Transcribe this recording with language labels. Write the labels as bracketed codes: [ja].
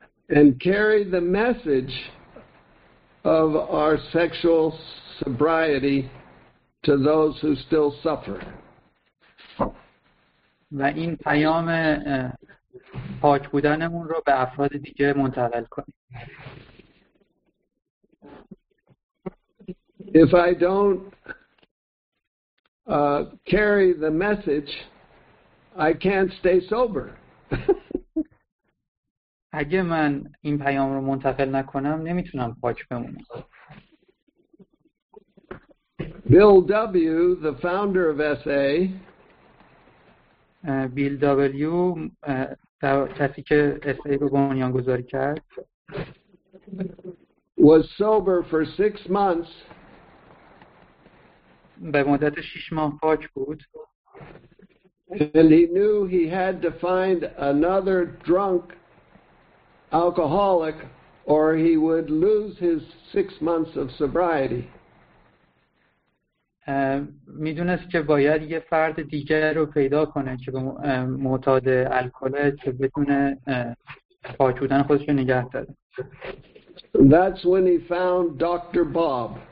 [en] and carry the message of our sexual sobriety to those who still suffer. [fa] و این پیام پاک بودنمون رو به افراد دیگه منتقل کنیم. [en] If I don't carry the message, I can't stay sober. [fa] اگه من این پیام رو منتقل نکنم نمیتونم پاک بمونم. [en] Bill W the founder of SA [fa] بیل دبلیو کسی که SA رو بنیانگذاری کرد [en] was sober for 6 months [fa] به مدت 6 ماه پاک بود. [en] And he knew he had to find another drunk alcoholic or he would lose his 6 months of sobriety. [fa] میدونست که باید یه فرد دیگر رو پیدا کنه که به معتاد الکله که بتونه پاک بودن خودش رو نگه داره. [en] That's when he found Dr. Bob.